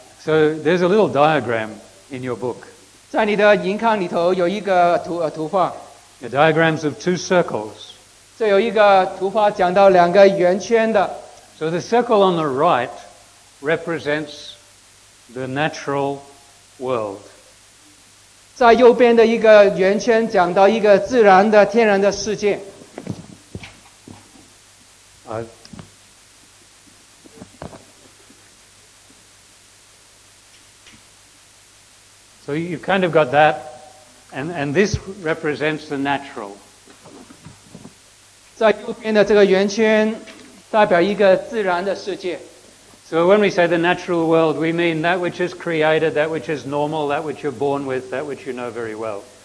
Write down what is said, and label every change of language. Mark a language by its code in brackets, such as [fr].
[en] So there's a little diagram in your book. [zh] 在你的银刊里头有一个图画。 [en] The diagrams of two circles. [zh] 这有一个图画讲到两个圆圈的。 [en] So the circle on the right represents the natural world. [zh] 在右边的一个圆圈讲到一个自然的、天然的世界。 [en] So you've kind of got that, and this represents the natural. [zh] 在右边的这个圆圈代表一个自然的世界。 [en] So when we say the natural world, we mean that which is created, that which is normal, that which you're born with, that which you know very well.